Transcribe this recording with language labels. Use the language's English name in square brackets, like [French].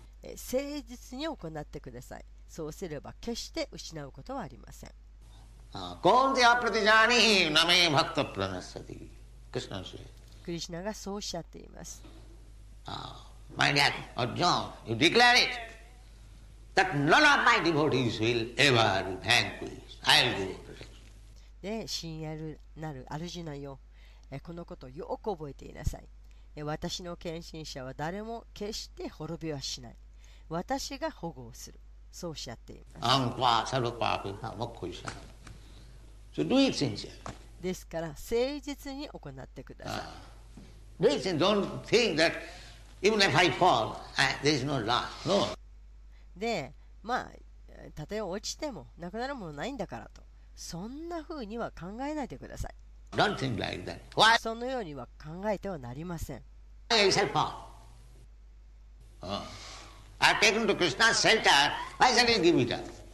[Japanese] 誠実に行ってください。そうすれば決して失うことはありません。クリシナがそうおっしゃっています。 [English] Mind that, Arjuna, you declare it. That none of my devotees will ever vanquish. I'll give them protection. [Japanese] で、親愛なるアルジュナよ、このことをよく覚えていなさい。私の献身者は誰も決して滅びはしない。私が保護をする。そうおっしゃっています。 [Sanskrit] アンパー、サルパー、ピンパー、モッコイシャー。 [English] So do it sincerely. [Japanese] ですから、誠実に行ってください。 [English] Do it sincerely. Don't think that even if I fall, there is no loss. No. [Japanese] で、まあ、たとえ落ちても、なくなるものないんだからと、そんなふうには考えないでください。 [English] Don't think like that. Why? [Japanese] そのようには考えてはなりません。 [English] I shall fall. I've taken to Krishna's shelter. Why shall I give it up?